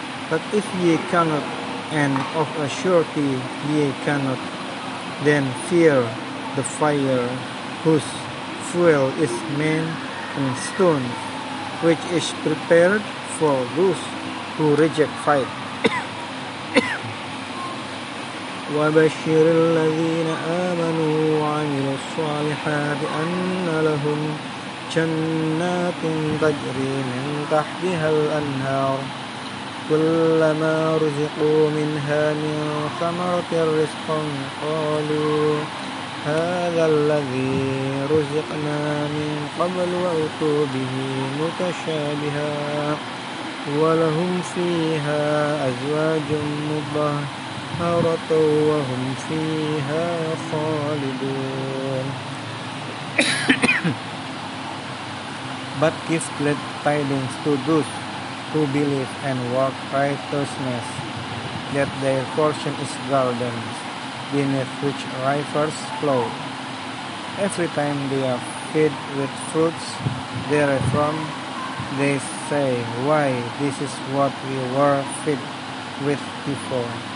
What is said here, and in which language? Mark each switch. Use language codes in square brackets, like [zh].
[en] But if ye cannot, and of a surety ye cannot, then fear the fire whose fuel is men and stones, which is prepared for those who reject fight. [ar] وَبَشِّرِ الَّذِينَ آمَنُوا وَعَمِلُوا الصَّالِحَاتِ أَنَّ لَهُمْ جنات تجري من تحتها الأنهار كلما رزقوا منها من ثمرة رزقا قالوا هذا الذي رزقنا من قبل وأتوا به متشابها ولهم فيها أزواج مطهرة وهم فيها خالدون. [en] But give glad tidings to those who believe and walk righteousness, that their portion is gardens beneath which rivers flow. Every time they are fed with fruits therefrom, they say, why, this is what we were fed with before.